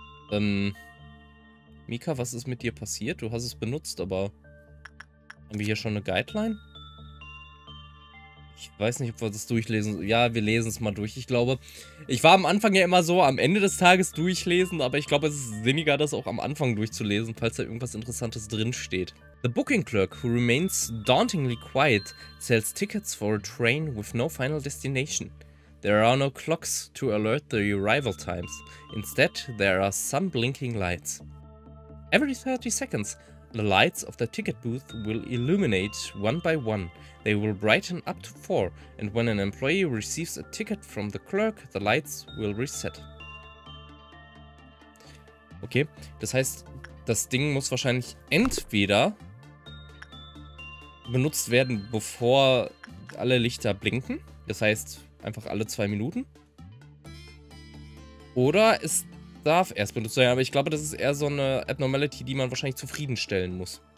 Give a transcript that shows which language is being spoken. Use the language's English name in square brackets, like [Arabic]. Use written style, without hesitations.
[German] Mika, was ist mit dir passiert? Du hast es benutzt, aber haben wir hier schon eine Guideline? Ich weiß nicht, ob wir das durchlesen. Ja, wir lesen es mal durch. Ich glaube, ich war am Anfang ja immer so, am Ende des Tages durchlesen, aber ich glaube, es ist sinniger, das auch am Anfang durchzulesen, falls da irgendwas Interessantes drinsteht. [English] The booking clerk, who remains dauntingly quiet, sells tickets for a train with no final destination. There are no clocks to alert the arrival times. Instead, there are some blinking lights. Every 30 seconds, the lights of the ticket booth will illuminate one by one. They will brighten up to 4, and when an employee receives a ticket from the clerk, the lights will reset. [German] Okay, das heißt, das Ding muss wahrscheinlich entweder benutzt werden, bevor alle Lichter blinken. Das heißt, einfach alle 2 Minuten. Oder es darf erst benutzt werden, aber ich glaube, das ist eher so eine Abnormality, die man wahrscheinlich zufriedenstellen muss.